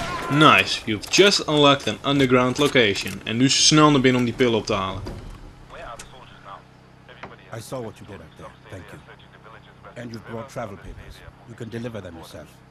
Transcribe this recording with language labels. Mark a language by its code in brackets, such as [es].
[en] Nice, you've just unlocked an underground location. [nl] En nu snel naar binnen om die pillen op te halen. [en] I saw what you did up there, thank you. And you brought travel papers. You can deliver them yourself.